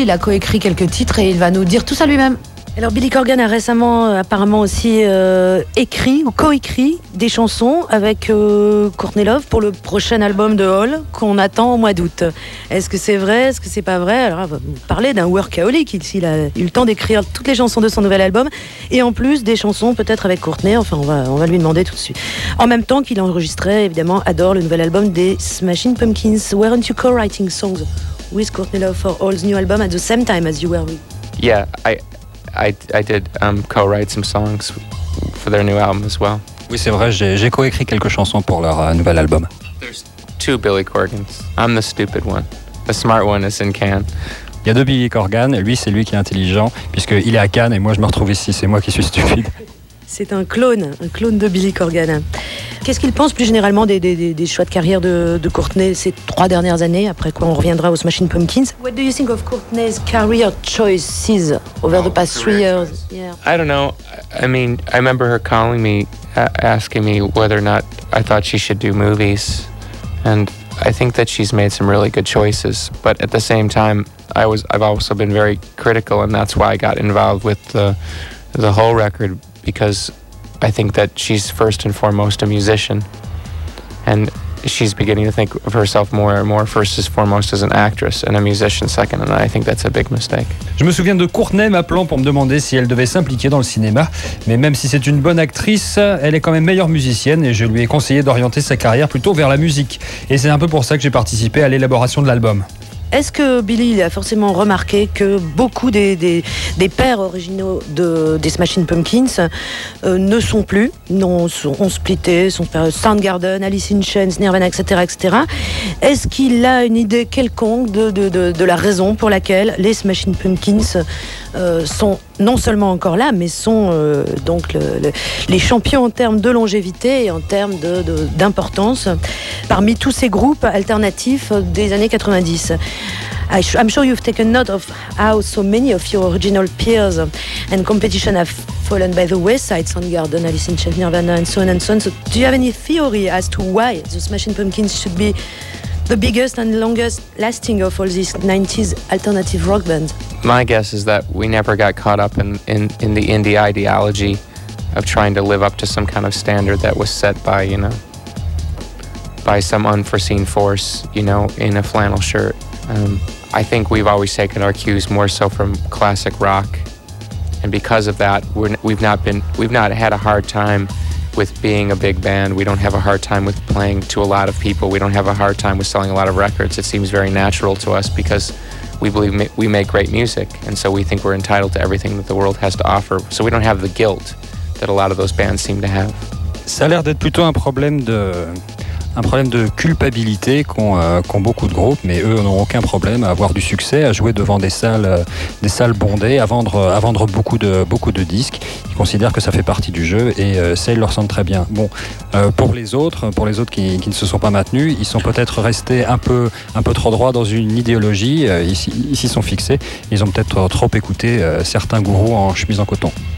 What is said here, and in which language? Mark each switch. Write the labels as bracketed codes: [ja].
[fr] Il a coécrit quelques titres et il va nous dire tout ça lui-même. Alors, Billy Corgan a récemment apparemment aussi écrit ou coécrit des chansons avec Courtney Love pour le prochain album de Hall qu'on attend au mois d'août. Est-ce que c'est vrai? Est-ce que c'est pas vrai? Alors, vous parlez d'un workaholic. Il a eu le temps d'écrire toutes les chansons de son nouvel album et en plus des chansons peut-être avec Courtney. Enfin, on va lui demander tout de suite. En même temps qu'il enregistrait, évidemment, Adore, le nouvel album des Smashing Pumpkins. [en] Weren't you co-writing songs with Courtney Love for Hall's new album at the same time as you were with? Yeah, I did co-write some songs for their new album as well. [fr] Oui, c'est vrai, j'ai co-écrit quelques chansons pour leur nouvel album. [en] There's two Billy Corgans. I'm the stupid one. The smart one is in Cannes. [fr] Il y a deux Billy Corgan, et lui, c'est lui qui est intelligent, puisqu'il est à Cannes et moi, je me retrouve ici, c'est moi qui suis stupide. C'est un clone de Billy Corgan. Qu'est-ce qu'il pense plus généralement des choix de carrière de Courtney ces trois dernières années, après quoi on reviendra aux Smashing Pumpkins? [en] What do you think of Courtney's career choices over the past 3 years? Yeah. I don't know. I mean, I remember her calling me, asking me whether or not I thought she should do movies. And I think that she's made some really good choices. But at the same time, I've also been very critical, and that's why I got involved with the whole record. Because I think that she's first and foremost a musician, and she's beginning to think of herself more and more first and foremost as an actress and a musician second, and I think that's a big mistake. [fr] Je me souviens de Courtney m'appelant pour me demander si elle devait s'impliquer dans le cinéma, mais même si c'est une bonne actrice, elle est quand même meilleure musicienne, et je lui ai conseillé d'orienter sa carrière plutôt vers la musique, et c'est un peu pour ça que j'ai participé à l'élaboration de l'album. Est-ce que Billy a forcément remarqué que beaucoup des pères originaux des Smashing Pumpkins ne sont plus, ont splitté, sont Soundgarden, Alice in Chains, Nirvana, etc., etc. Est-ce qu'il a une idée quelconque de la raison pour laquelle les Smashing Pumpkins sont non seulement encore là, mais sont donc les champions en termes de longévité et en termes d'importance parmi tous ces groupes alternatifs des années 90? [en] I'm sure you've taken note of how so many of your original peers and competition have fallen by the wayside, Soundgarden, Alice in Chains, Nirvana, and so on and so on. So do you have any theory as to why the Smashing Pumpkins should be the biggest and longest lasting of all these 90s alternative rock bands? My guess is that we never got caught up in the indie ideology of trying to live up to some kind of standard that was set by, you know, by some unforeseen force, you know, in a flannel shirt. I think we've always taken our cues more so from classic rock, and because of that, we've not had a hard time with being a big band. We don't have a hard time with playing to a lot of people. We don't have a hard time with selling a lot of records. It seems very natural to us because we believe we make great music, and so we think we're entitled to everything that the world has to offer. So we don't have the guilt that a lot of those bands seem to have. [fr] Ça a l'air d'être plutôt un problème de culpabilité qu'ont beaucoup de groupes, mais eux n'ont aucun problème à avoir du succès, à jouer devant des salles bondées, à vendre beaucoup de disques. Ils considèrent que ça fait partie du jeu et ça leur semble très bien. Bon, pour les autres qui ne se sont pas maintenus, ils sont peut-être restés un peu trop droits dans une idéologie, ils s'y sont fixés, ils ont peut-être trop écouté certains gourous en chemise en coton.